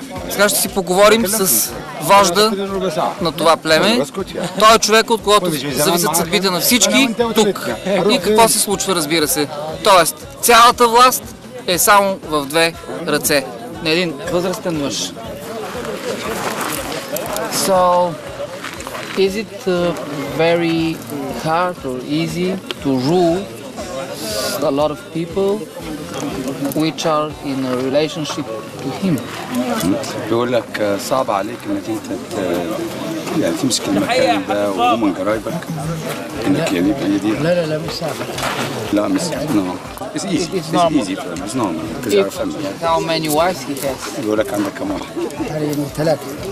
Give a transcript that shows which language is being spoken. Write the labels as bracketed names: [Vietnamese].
[Bulgarian] Сега ще си поговорим с вожда на това племе. Той е човек, от когото зависят съдбите на всички тук. И какво се случва, разбира се. Тоест, цялата власт е само в две ръце. На един възрастен мъж. [English] So, is it very hard or easy to rule a lot of people which are in a relationship to him? [Arabic] بيقول لك صعب عليك انك انت يعني تمسك المكان ومن قرايبك انك يعني في يدي لا لا لا مش لا مش سهل [English] no it's easy it's easy for them it's normal because our family how many wives he has [Arabic] يقول لك عندك كم واحد ثلاثة